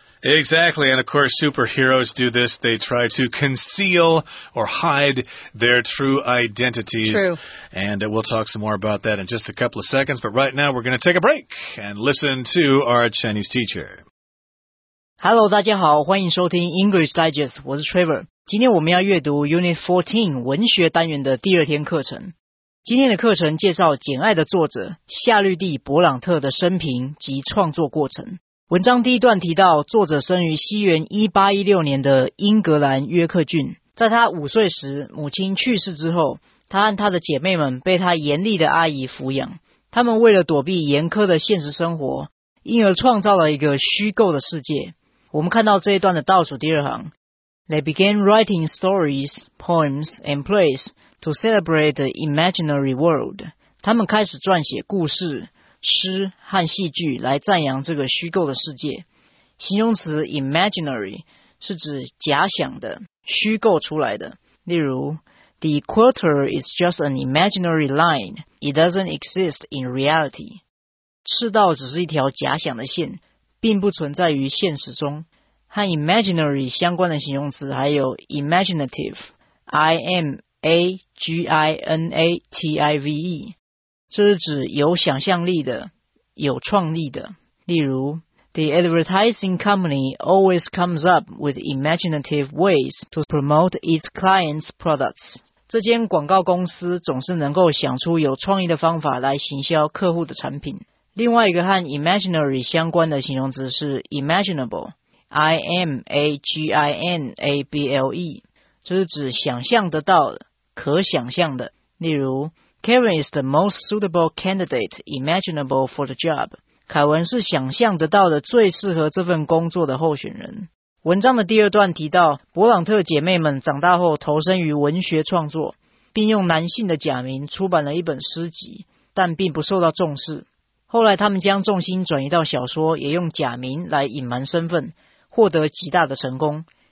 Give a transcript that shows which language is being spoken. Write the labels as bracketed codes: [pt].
[en] Exactly, and of course superheroes do this. They try to conceal or hide their true identities. True. And we'll talk some more about that in just a couple of seconds, but right now we're going to take a break and listen to our Chinese teacher. [zh] Hello, 大家好，欢迎收听 English Digest, 我是 Trevor。今天我们要阅读 Unit 14 文学单元的第二天课程。今天的课程介绍《简爱》的作者夏绿蒂·勃朗特的生平及创作过程。文章第一段提到，作者生于西元1816年的英格兰约克郡。在他五岁时，母亲去世之后，他和他的姐妹们被他严厉的阿姨抚养。他们为了躲避严苛的现实生活，因而创造了一个虚构的世界。我们看到这一段的倒数第二行， [en] They began writing stories, poems, and plays to celebrate the imaginary world. [zh] 他们开始撰写故事、诗和戏剧来赞扬这个虚构的世界。形容词 imaginary 是指假想的、虚构出来的。 [en] 例如 The equator is just an imaginary line. It doesn't exist in reality. [zh] 赤道只是一条假想的线，并不存在于现实中。和 imaginary 相关的形容词还有 imaginative, I-M-A-G-I-N-A-T-I-V-E, 这是指有想象力的、有创意的。 [en] 例如 The advertising company always comes up with imaginative ways to promote its clients' products. [zh] 这间广告公司总是能够想出有创意的方法来行销客户的产品。另外一个和 imaginary 相关的形容词是 imaginable, I-M-A-G-I-N-A-B-L-E, 这是指想象得到的、可想象的。 [en] 例如 Kevin is the most suitable candidate imaginable for the job. [zh] 凯文是想象得到的最适合这份工作的候选人。文章的第二段提到，勃朗特姐妹们长大后投身于文学创作，并用男性的假名出版了一本诗集，但并不受到重视。后来他们将重心转移到小说，也用假名来隐瞒身份，获得极大的成功。